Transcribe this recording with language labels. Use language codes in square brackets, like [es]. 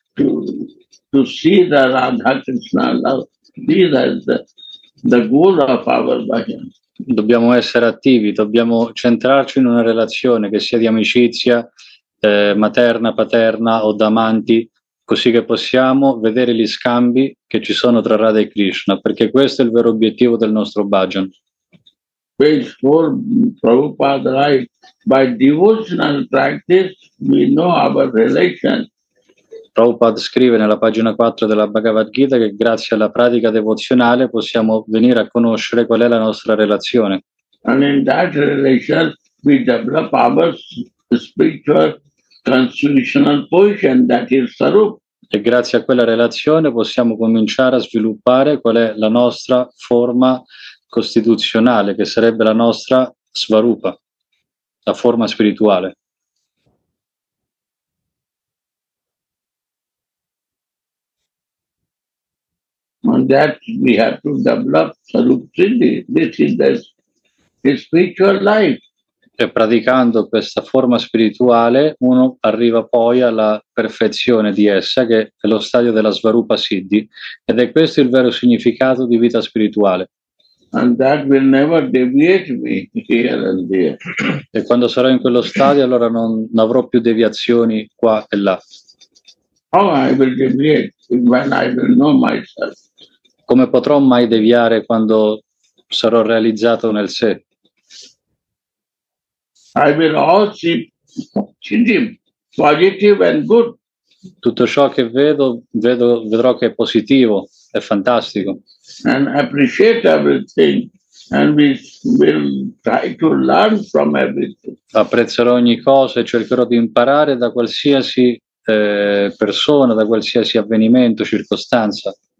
[en] To see the Radha Krishna love, this is the goal of our bhajan. [it] Dobbiamo essere attivi, dobbiamo centrarci in una relazione che sia di amicizia materna, paterna o d'amanti, così che possiamo vedere gli scambi che ci sono tra Radha e Krishna, perché questo è il vero obiettivo del nostro bhajan. [en] Page 4, Prabhupada writes, by devotional practice we know our relation. [it] Prabhupada scrive nella pagina 4 della Bhagavad Gita che grazie alla pratica devozionale possiamo venire a conoscere qual è la nostra relazione. [en] And in that relation we develop our spiritual constitutional position, that is sarup. [it] E grazie a quella relazione possiamo cominciare a sviluppare qual è la nostra forma costituzionale, che sarebbe la nostra svarupa, la forma spirituale. [en] And that we have to develop sarup siddhi. This is the spiritual life. [it] E praticando questa forma spirituale uno arriva poi alla perfezione di essa, che è lo stadio della svarupa siddhi, ed è questo il vero significato di vita spirituale. [en] and that will never deviate me here and there. [it] E quando sarò in quello stadio, allora non avrò più deviazioni qua e là. [en] How I will deviate when I will know myself? [it] Come potrò mai deviare quando sarò realizzato nel sé? [en] I will all see positive and good. [it] Tutto ciò che vedrò che è positivo, è fantastico. [en] And appreciate everything, and we will try to learn from everything. [it] Apprezzerò ogni cosa e cercherò di imparare da qualsiasi persona, da qualsiasi avvenimento, circostanza.